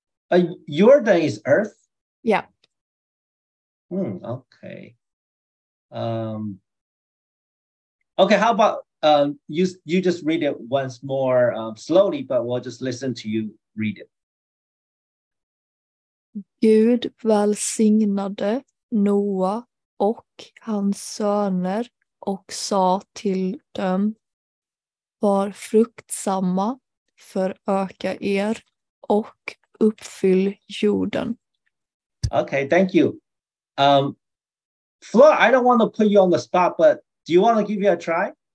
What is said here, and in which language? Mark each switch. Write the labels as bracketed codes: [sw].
[en] Jorden is earth? Yeah. Hmm, okay. Okay, how about you just read it once more slowly, but we'll just listen to you read it. [sv] Gud välsignade Noah och hans söner och sa till dem, var fruktsamma, föröka er och uppfyll jorden. [en] Okay, thank you. Flo, I don't want to put you on the spot, but do you want to give you a try?